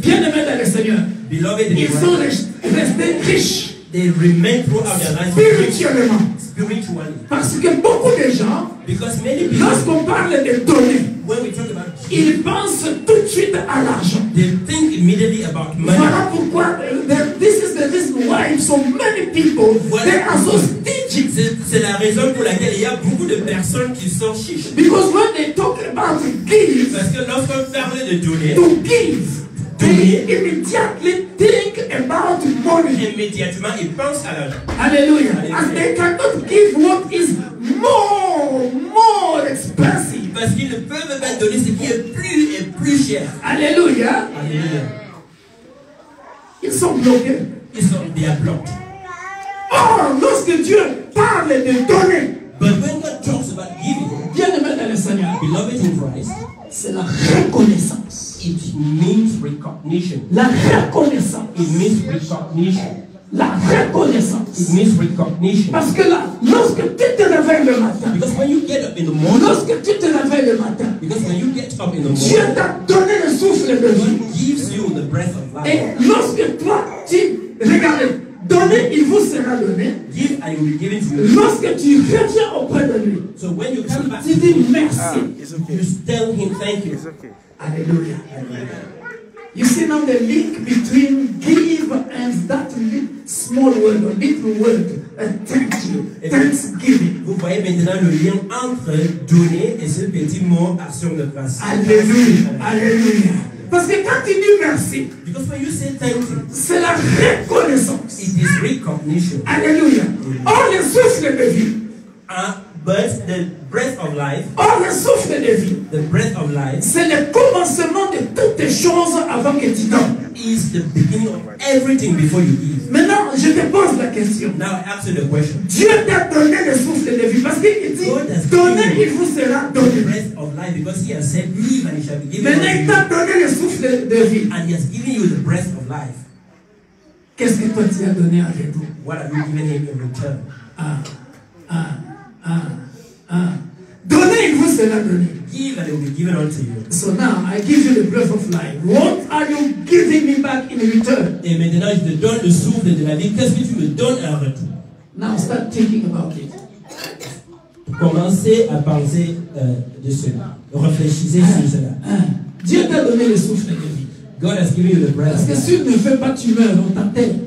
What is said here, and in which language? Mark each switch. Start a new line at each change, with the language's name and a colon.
French: bien aimé dans le Seigneur,
English: beloved,
French: ils sont restés riches.
English: they remain throughout their life
French: spirituellement.
English: Spiritually.
French: Parce que beaucoup de gens,
English: because many people,
French: lorsqu'on parle de donner,
English: when we talk about
French: money, ils pensent tout de suite à l'argent.
English: They think immediately about money.
French: Voilà pourquoi,
English: this is the reason why so many people,
French: voilà,
English: they are so stingy.
French: C'est la raison pour laquelle il y a beaucoup de personnes qui sont chiches.
English: Because when they talk about give,
French: parce que lorsqu'on parle de donner,
English: to give, they immediately think about money.
French: Immédiatement, ils pensent à l'argent. Alléluia.
English: And they cannot give what is more expensive.
French: Parce qu'ils ne peuvent pas donner ce qui est plus et plus cher. Alléluia. Alléluia. Ils sont bloqués. Ils sont bien bloqués. Or, lorsque Dieu parle de donner,
English: but when God talks about giving,
French: bien aimé dans le Seigneur,
English: beloved in Christ,
French: c'est la reconnaissance.
English: It means recognition.
French: La reconnaissance.
English: It means recognition.
French: La reconnaissance.
English: It means recognition.
French: Parce que là, lorsque tu te réveilles le matin,
English: because when you get up in the morning,
French: lorsque tu te réveilles le matin,
English: because when you get up in the morning,
French: Dieu t'a donné le souffle de vie.
English: God gives you the breath of life.
French: Et lorsque toi, tu regardes, donner, il vous sera donné.
English: Give, I will give it to you.
French: Lorsque tu reviens auprès de lui,
English: so when you come back,
French: tu dis merci.
English: Ah, it's okay. You tell him thank you. It's okay.
French: Alléluia.
English: You see now the link between give and that small word, a little word, thank you, thanksgiving.
French: Vous voyez maintenant le lien entre donner et ce petit mot action de grâce. Alléluia. Alléluia. Parce que quand tu dis merci,
English: because when you say thank you,
French: c'est la reconnaissance.
English: It is recognition.
French: Alléluia. Or le souffle de vie.
English: But the breath of life,
French: or le souffle de vie,
English: the breath of life,
French: c'est le commencement de toutes les choses avant que tu donnes.
English: Is the beginning of everything before you give.
French: Maintenant, je te pose la question.
English: Now I ask you the question.
French: Dieu t'a donné le souffle de vie parce qu'il dit, donnez, il vous sera donné.
English: The breath of life, because he has said, give and he shall be given.
French: Maintenant, il t'a donné le souffle de vie.
English: And he has given you the breath of life.
French: Qu'est-ce que toi tu as donné à Dieu?
English: What have you given him in return?
French: Donnez, il vous sera donné.
English: Give and it will be given unto you. So now I give you the breath of life. What are you giving me back in return?
French: Et maintenant je te donne le souffle de la vie. Qu'est-ce que tu me donnes en retour?
English: Now start thinking about it.
French: Commencez à penser de cela. Réfléchissez sur cela. Dieu t'a donné le souffle de vie.
English: God has given you the breath.
French: Parce que si tu ne fais pas, tu meurs dans ta tête.